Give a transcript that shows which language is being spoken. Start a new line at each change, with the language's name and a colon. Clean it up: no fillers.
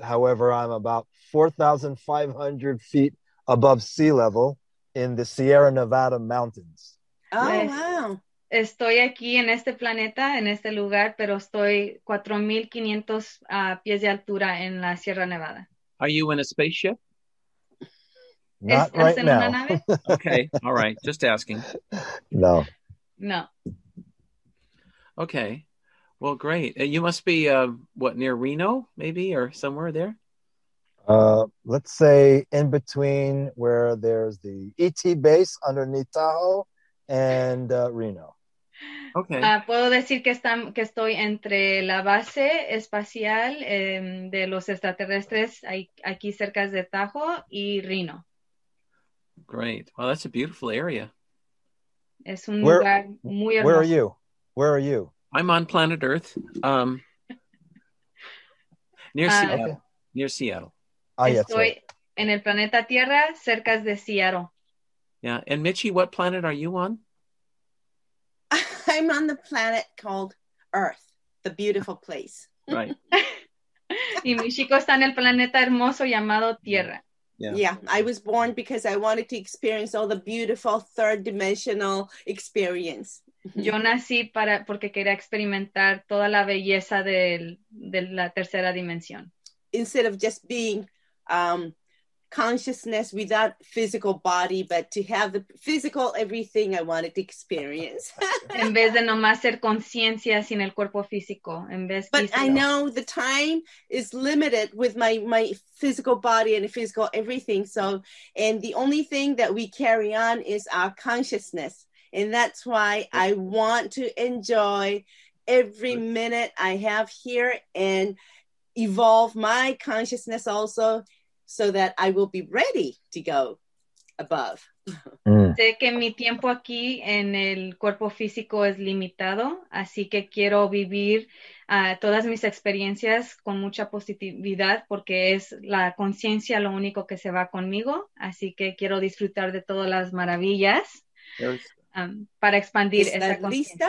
English: However, I'm about 4,500 feet above sea level in the Sierra Nevada mountains. Oh, yes. Wow.
Spanish: Estoy aquí en este planeta, en este lugar, pero estoy 4,500 pies de altura en la Sierra Nevada.
English: Are you in a spaceship? Not right now.
Spanish: ¿Estás en una nave?
English: Okay, all right, just asking. No. No. Okay, well, great. You must be, near Reno, maybe, or somewhere there? Let's say in between where there's the ET base underneath Tahoe and Reno. Okay.
Spanish: Puedo decir que estoy entre la base espacial de los extraterrestres aquí cerca de Tahoe y Reno.
English: Great. Well, that's a beautiful area.
Spanish: Es un lugar muy hermoso.
English: Where are you? Where are you? I'm on planet Earth. near Seattle. Okay. Near Seattle.
Spanish: Estoy en el planeta Tierra, cerca de Seattle.
English: Yeah. And Michi, what planet are you on? I'm on the planet called Earth, the beautiful place. Right.
Spanish: Y mi chico está en el planeta hermoso llamado Tierra.
English: Yeah, I was born because I wanted to experience all the beautiful third dimensional experience.
Spanish: Yo nací porque quería experimentar toda la belleza de la tercera dimensión.
English: Instead of just being consciousness without physical body, but to have the physical everything I wanted to experience.
Spanish: En vez de nomás ser conciencia sin el cuerpo físico, en vez
English: but
Spanish: físico.
English: I know the time is limited with my physical body and physical everything, so and the only thing that we carry on is our consciousness, and that's why I want to enjoy every minute I have here and evolve my consciousness also, so that I will be ready to go above.
Spanish: Sé que mi tiempo aquí en el cuerpo físico es limitado, así que quiero vivir todas mis experiencias con mucha positividad, porque es la conciencia lo único que se va conmigo, así que quiero disfrutar de todas las maravillas para expandir esa conciencia.